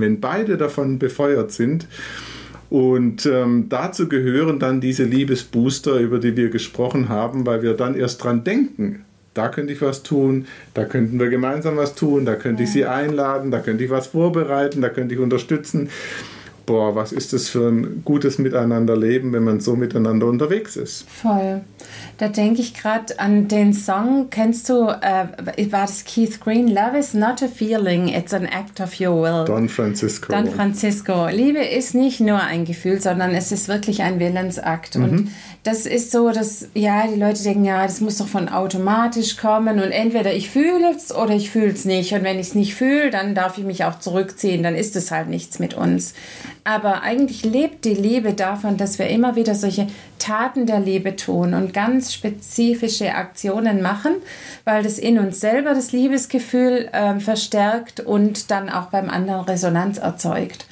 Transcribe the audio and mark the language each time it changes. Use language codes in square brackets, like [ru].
[de] Wenn beide davon befeuert sind, und dazu gehören dann diese Liebesbooster, über die wir gesprochen haben, weil wir dann erst dran denken, da könnte ich was tun, da könnten wir gemeinsam was tun, da könnte ich sie einladen, da könnte ich was vorbereiten, da könnte ich unterstützen. Boah, was ist das für ein gutes Miteinanderleben, wenn man so miteinander unterwegs ist. Voll. Da denke ich gerade an den Song, kennst du, war das Keith Green? [en] Love is not a feeling, it's an act of your will. Don Francisco. [de] Liebe ist nicht nur ein Gefühl, sondern es ist wirklich ein Willensakt. Mhm. Und das ist so, dass, ja, die Leute denken, ja, das muss doch von automatisch kommen. Und entweder ich fühle es oder ich fühle es nicht. Und wenn ich es nicht fühle, dann darf ich mich auch zurückziehen. Dann ist es halt nichts mit uns. Aber eigentlich lebt die Liebe davon, dass wir immer wieder solche Taten der Liebe tun und ganz spezifische Aktionen machen, weil das in uns selber das Liebesgefühl verstärkt und dann auch beim anderen Resonanz erzeugt.